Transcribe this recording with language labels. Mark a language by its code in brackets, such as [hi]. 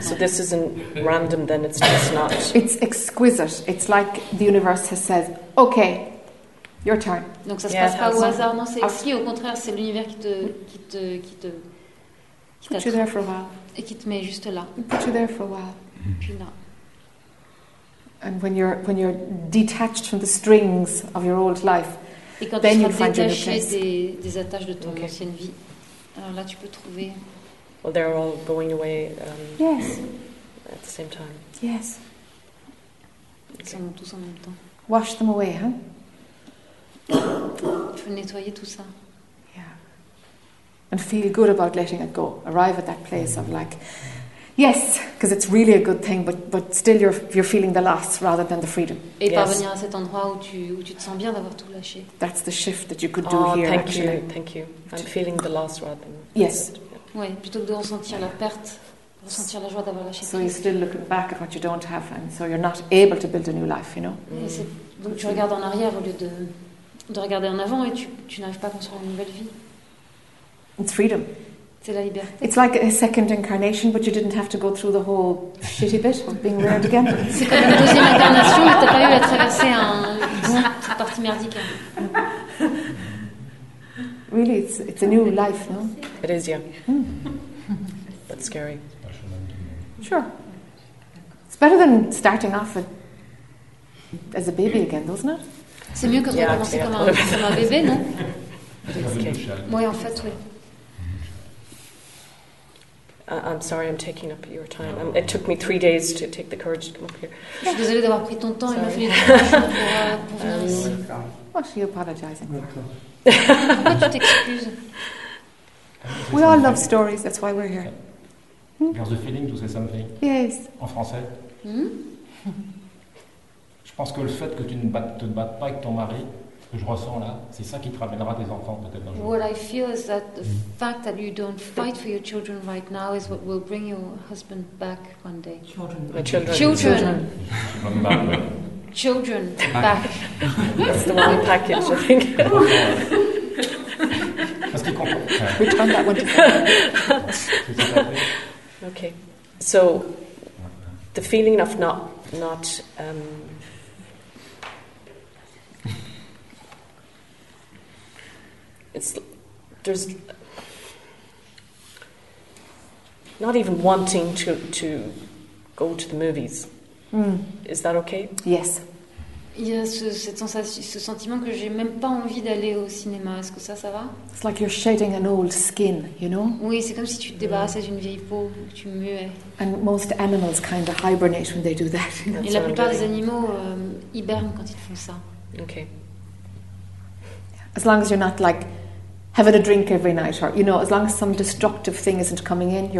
[en] So this isn't random then, it's just not. It's exquisite. It's like the universe has said, okay, your turn. [fr] Donc ça se passe pas au hasard, non, c'est exquis, au contraire, c'est l'univers qui [en] put you there for a while. [fr] Et qui te met juste là. [en] Put you there for a while. [fr] Puis là. [en] and when you're detached from the strings of your old life, then you find your new place. [fr] Des attaches de ton ancienne vie. Alors là, tu peux trouver. [en] Well, they're all going away. Yes. At the same time. Yes. [fr] Ils sont tous en même temps. [en] Wash them away, huh? [fr] Tu veux nettoyer tout ça. [en] Yeah. And feel good about letting it go. Arrive at that place of like. Yes, because it's really a good thing, but still you're feeling the loss rather than the freedom. [fr] Et [en] yes. [fr] Parvenir à cet endroit où tu te sens bien d'avoir tout lâché. [en] That's the shift that you could do here, thank actually. Thank you. I'm feeling the loss rather than. Yes. [fr] Oui, plutôt que de ressentir la perte, ressentir la joie d'avoir lâché. [en] So you're still looking back at what you don't have, and so you're not able to build a new life, you know. [fr] Donc tu regardes en arrière au lieu de regarder en avant, et tu n'arrives pas à construire une nouvelle vie. [en] It's freedom. [fr] C'est la liberté. [en] It's like a second incarnation, but you didn't have to go through the whole shitty bit of being reared again. [fr] C'est comme une deuxième incarnation, mais t'as pas eu à traverser une partie merdique. [en] Really, it's a new life, no? It is, yeah. That's scary. Sure. It's better than starting off as a baby again, doesn't it? [fr] C'est mieux que de recommencer comme un bébé, non? [en] Okay. [fr] Moi, en fait, oui. [en] I'm sorry, I'm taking up your time. It took me 3 days to take the courage to come up here. [fr] Je suis désolée d'avoir pris ton temps. Il m'a fallu pour venir ici. [en] What are you apologizing for? We all love stories, that's why we're here. There's a feeling to say something. Yes. [fr] En français. Je pense que le fait que tu ne te battes pas avec ton mari, que je ressens là, c'est ça qui te ramènera tes enfants peut-être un jour. [en] What I feel is that the fact that you don't fight for your children right now is what will bring your husband back one day. Children back. That's the one package, I think. [fr] Parce qu'il comprend. [en] We turned that one to okay. So, the feeling of not it's there's not even wanting to go to the movies. Is that okay? Yes. [fr] Il y a ce sentiment que j'ai même pas envie d'aller au cinéma. Est-ce que ça va? [en] It's like you're shedding an old skin, you know? [fr] Oui, c'est comme si tu te débarrassais d'une vieille peau, que tu muais. [en] And most animals kind of hibernate when they do that. [fr] Et la plupart des animaux hibernent quand ils font ça. [en] Okay. As long as you're not like having a drink every night, or you know, as long as some destructive thing isn't coming in, you're